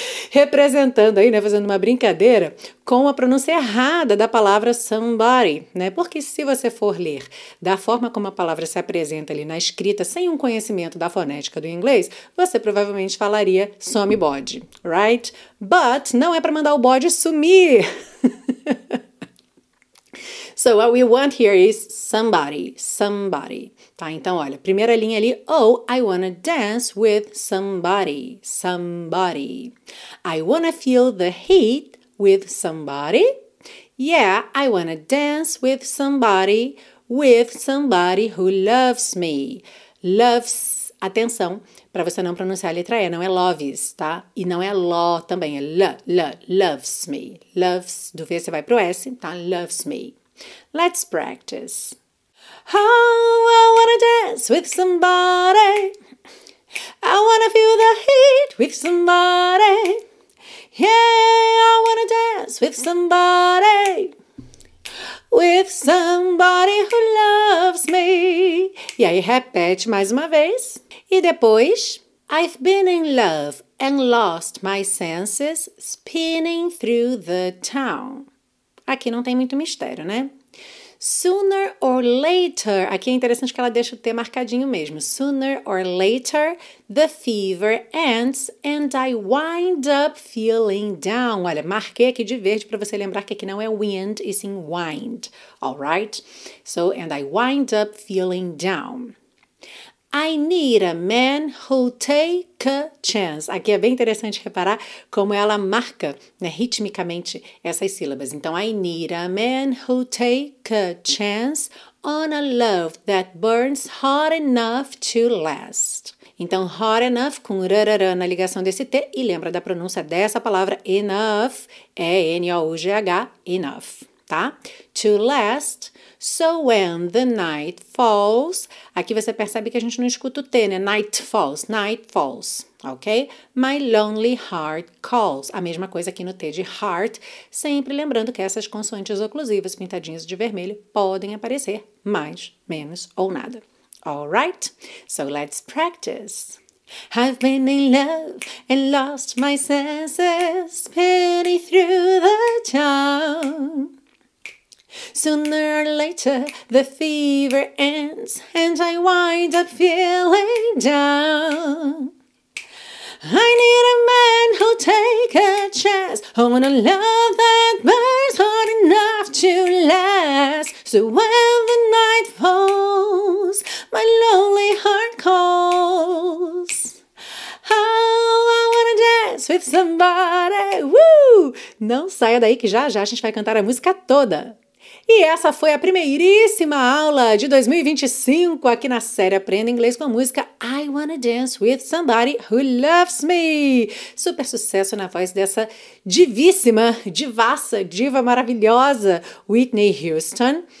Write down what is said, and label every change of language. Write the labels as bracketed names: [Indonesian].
[Portuguese] Representando aí, né, fazendo uma brincadeira com a pronúncia errada da palavra somebody, né? Porque se você for ler da forma como a palavra se apresenta ali na escrita, sem um conhecimento da fonética do inglês, você provavelmente falaria some body, right? But não é para mandar o body sumir. [English] So what we want here is somebody, somebody. [Portuguese] Tá, então olha, primeira linha ali, oh, [English] I wanna dance with somebody, somebody. I wanna feel the heat with somebody. Yeah, I wanna dance with somebody who loves me. [Portuguese] Loves, atenção, para você não pronunciar a letra E, não é loves, tá? E não é lo também, é l, l, loves me. Loves, do V você vai pro S, tá? [English] Loves me. Let's practice. Oh, I wanna dance with somebody. I wanna feel the heat with somebody. Yeah, I wanna dance with somebody. With somebody who loves me. [Portuguese] E aí repete mais uma vez. E depois, [English] I've been in love and lost my senses spinning through the town. [Portuguese] Aqui não tem muito mistério, né? [English] Sooner or later, [Portuguese] aqui é interessante que ela deixa o T marcadinho mesmo. [English] Sooner or later, the fever ends and I wind up feeling down. [Portuguese] Olha, marquei aqui de verde para você lembrar que aqui não é wind, e sim wind. [English] Alright? So, and I wind up feeling down. I need a man who take a chance. [Portuguese] Aqui é bem interessante reparar como ela marca, né, ritmicamente essas sílabas. [English] Então, I need a man who take a chance on a love that burns hot enough to last. [Portuguese] Então, [English] hot enough [Portuguese] com rarara na ligação desse T. E lembra da pronúncia dessa palavra, enough. É N-O-U-G-H, enough, tá? [English] To last. So when the night falls, [Portuguese] aqui você percebe que a gente não escuta o T, né? [English] Night falls, [Portuguese] ok? [English] My lonely heart calls, [Portuguese] a mesma coisa aqui no T de heart, sempre lembrando que essas consoantes oclusivas pintadinhas de vermelho podem aparecer mais, menos ou nada. [English] Alright, so let's practice. I've been in love and lost my senses, spinning through the town. Sooner or later, the fever ends, and I wind up feeling down. I need a man who'll take a chance on a love that burns hard enough to last. So when the night falls, my lonely heart calls. Oh, I wanna dance with somebody. Woo! [Portuguese] Não saia daí que já já a gente vai cantar a música toda. E essa foi a primeiríssima aula de 2025 aqui na série Aprenda Inglês com a Música I Wanna Dance With Somebody Who Loves Me. Super sucesso na voz dessa divíssima, divaça, diva maravilhosa, Whitney Houston.